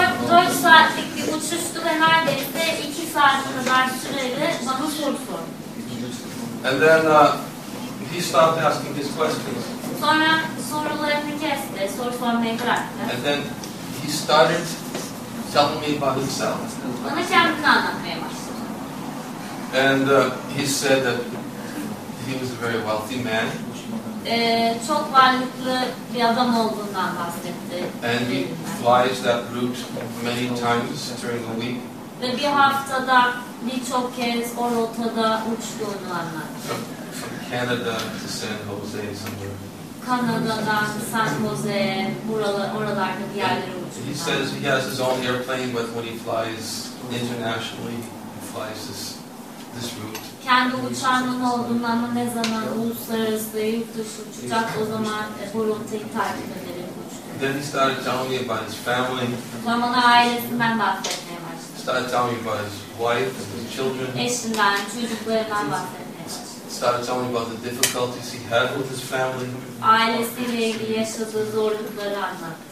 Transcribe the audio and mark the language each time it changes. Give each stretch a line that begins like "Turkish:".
Turkish: 4 saatlik bir uçuştu ve neredeyse 2 saat kadar sürede bana soru sordu.
English: And then he stopped asking his questions.
Turkish: Sonra sorularını kesti, soru sormayı bıraktı.
English: And then he started telling me about himself.
Turkish: Bana kendini anlatmaya başladı.
English: And he said that he was a very wealthy man.
Turkish: Çok varlıklı bir adam olduğundan bahsetti.
English: And he flies that route many times during the week.
Turkish: Ve bir haftada birçok kez o rotada uçtuğunu anlattı.
English: From Canada to San Jose somewhere.
Turkish: Kanada'dan, San Jose, buralı, oralarda bir yerlere uçuyor.
English: He says he has his own airplane, but when he flies internationally, he flies this route.
Turkish: Kendi uçağının olduğunu ama ne zaman uluslararası, yurt dışı uçacak, o zaman bu rotayı takip ederek uçuyor.
English: Then he started telling me about his family.
Turkish: Ben bana ailesinden bahsetmeye başladım.
English: Started telling me about his wife and his children.
Turkish: Eşinden, çocuklarından bahsettim.
English: Started telling me about the difficulties he had with his family.
Turkish: Ailesiyle ilgili yaşadığı zorlukları anlattı.